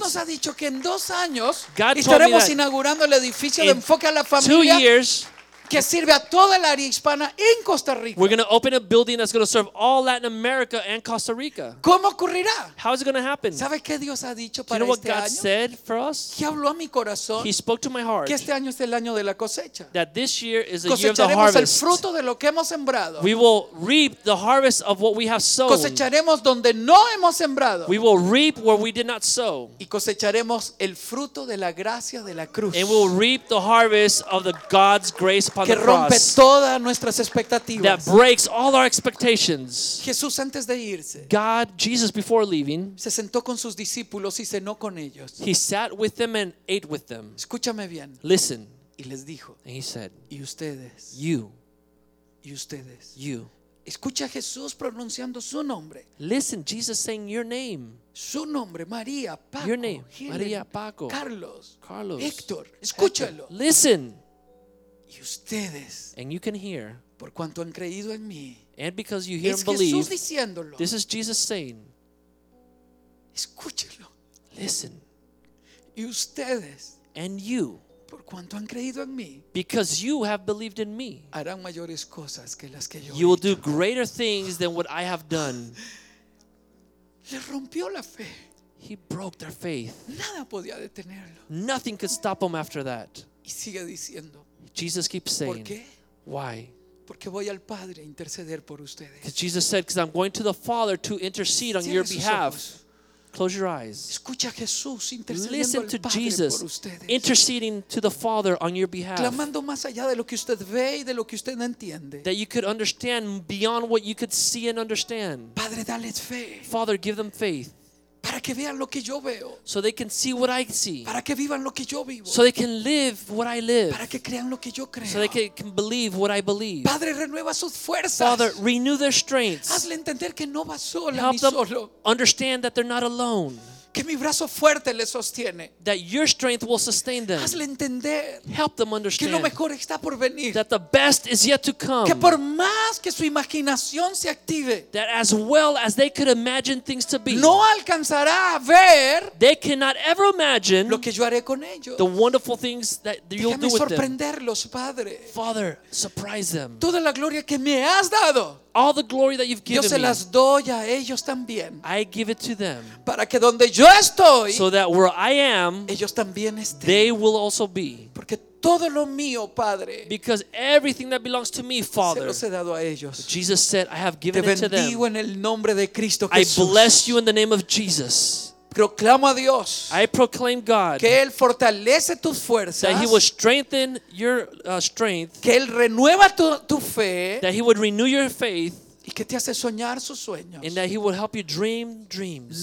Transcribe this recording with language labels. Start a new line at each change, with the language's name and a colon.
Spanish: Dios nos ha dicho que en dos años
English: God
Spanish: estaremos inaugurando el edificio de enfoque a la familia.
English: 2 years.
Spanish: Que sirve a toda la área hispana en Costa Rica.
English: We're going to open a building that's going to serve all Latin America and Costa Rica.
Spanish: ¿Cómo ocurrirá?
English: How is it going to happen?
Spanish: ¿Sabe qué Dios ha dicho para
English: you know
Spanish: este año?
English: Do you know what God Said for us?
Spanish: ¿Qué habló a mi corazón?
English: He spoke to my heart.
Spanish: Que este año es el año de la cosecha.
English: That this year is the year of the harvest.
Spanish: El fruto de lo que hemos sembrado.
English: We will reap the harvest of what we have sown.
Spanish: Cosecharemos donde no hemos sembrado.
English: We will reap where we did not sow.
Spanish: Y cosecharemos el fruto de la gracia de la cruz.
English: And we'll reap the harvest of the God's grace
Spanish: que rompe todas nuestras expectativas.
English: That breaks all our expectations.
Spanish: Jesús antes de irse.
English: God, Jesus before leaving.
Spanish: Se sentó con sus discípulos y cenó con ellos.
English: He sat with them and ate with them.
Spanish: Escúchame bien.
English: Listen.
Spanish: Y les dijo.
English: And he said.
Spanish: Y ustedes.
English: You.
Spanish: Y ustedes.
English: You.
Spanish: Escucha a Jesús pronunciando su nombre.
English: Listen, Jesus saying your name.
Spanish: Su nombre, María, Paco.
English: Your name, Helen,
Spanish: María, Paco. Carlos.
English: Carlos.
Spanish: Héctor. Escúchalo.
English: Hector. Listen.
Spanish: Y ustedes,
English: and you can hear
Spanish: por cuanto han creído en mí,
English: and because you hear and believe
Spanish: Jesús diciéndolo,
English: this is Jesus saying
Spanish: escúchelo,
English: listen
Spanish: y ustedes,
English: and you
Spanish: por cuanto han creído en mí,
English: because you have believed in me
Spanish: harán mayores cosas que las que yo
English: you will do greater things than what I have done.
Spanish: Le rompió la fe.
English: He broke their faith.
Spanish: Nada podía detenerlo.
English: Nothing could stop them after that.
Spanish: Y sigue diciendo
English: Jesus keeps saying
Spanish: ¿Por qué?
English: Why?
Spanish: porque voy al Padre a interceder por ustedes.
English: Because Jesus said, because I'm going to the Father to intercede on your behalf. Close your eyes.
Spanish: Escucha a Jesús intercediendo al Padre por ustedes.
English: Interceding to the Father on your behalf.
Spanish: Clamando más allá de lo que usted ve y de lo que usted no entiende.
English: That you could understand beyond what you could see and understand.
Spanish: Padre, dales fe.
English: Father, give them faith.
Spanish: Para que vean lo que yo veo.
English: So they can see what I see.
Spanish: Para que vivan lo que yo vivo.
English: So they can live what I live.
Spanish: Para que crean lo que yo creo.
English: So they can believe what I believe.
Spanish: Padre, renueva sus fuerzas.
English: Father, renew their strengths.
Spanish: Hazle entender que no va sola.
English: Help
Spanish: solo.
English: Understand that they're not alone.
Spanish: Que mi brazo fuerte les sostiene.
English: That your strength will sustain them.
Spanish: Hazle entender.
English: Help them understand.
Spanish: Que lo mejor está por venir.
English: That the best is yet to come.
Spanish: Que por más que su imaginación se active.
English: That as well as they could imagine things to be.
Spanish: No alcanzará a ver.
English: They cannot ever imagine.
Spanish: Lo que yo haré con ellos.
English: The wonderful things that you'll
Spanish: Déjame
English: do with them.
Spanish: Déjame sorprenderlos, Padre.
English: Father, surprise them.
Spanish: Toda la gloria que me has dado.
English: All the glory that you've given
Spanish: me. Yo se las doy a ellos también.
English: I give it to them.
Spanish: Para que donde yo estoy,
English: so that where I am,
Spanish: ellos también estén.
English: They will also be.
Spanish: Porque todo lo mío, Padre.
English: Because everything that belongs to me, Father.
Spanish: Se los he dado a ellos.
English: Jesus said, I have given it to them.
Spanish: Te bendigo en el nombre de Cristo Jesús.
English: I bless you in the name of Jesus.
Spanish: Proclamo a Dios.
English: I proclaim God.
Spanish: Que él fortalece tus fuerzas.
English: That he will strengthen your strength.
Spanish: Que él renueva tu fe.
English: That he would renew your faith.
Spanish: Y que te hace soñar sus sueños.
English: And that he will help you dream dreams.